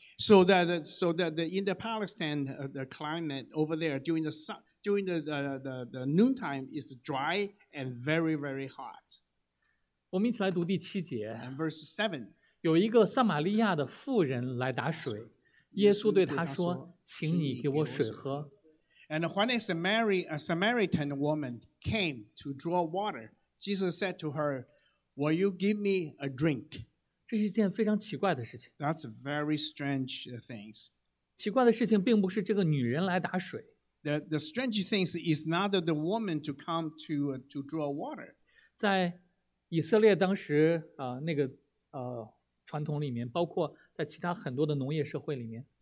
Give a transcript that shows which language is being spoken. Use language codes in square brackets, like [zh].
[en] So that in the Palestine, the climate over there during the during the noontime is dry and very very hot. [zh] 我们一起来读第七节。 [en] Verse 7, [zh] 有一个撒玛利亚的妇人来打水，耶稣对他说：“ 请你给我水喝。” [en] And when a Samaritan woman came to draw water, Jesus said to her, "Will you give me a drink?" [zh] 这是一件非常奇怪的事情。 [en] That's very strange things. [zh] 奇怪的事情并不是这个女人来打水。 [en] The strange things is not that the woman to come to draw water. [zh] 在以色列当时那个传统里面，包括在其他很多的农业社会里面。